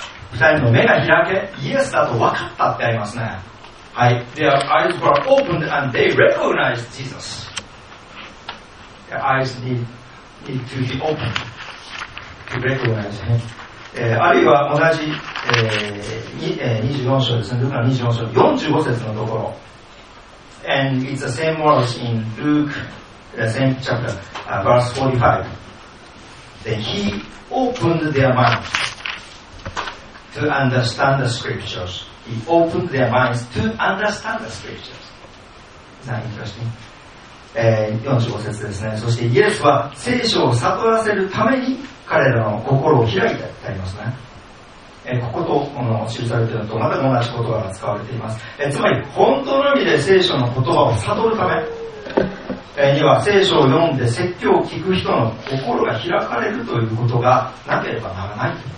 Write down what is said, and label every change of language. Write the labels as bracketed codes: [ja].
[ja] 二人の目が開け、イエスだと分かったってありますね。 [en] Their eyes were opened and they recognized Jesus. Their eyes need to be opened to recognize him. [ja] あるいは同じ、24章ですね。ルカの24章45節のところ。 [en] And it's the same words in Luke, same chapter, verse 45. Then he opened their minds to understand the scriptures. He opened their minds to understand the scriptures. Isn't that interesting? [ja] 45節ですね。そしてイエスは聖書を悟らせるために彼らの心を開いてありますね。こことこの記されているのと全く同じ言葉が使われています。つまり本当の意味で聖書の言葉を悟るためには聖書を読んで説教を聞く人の心が開かれるということがなければならない。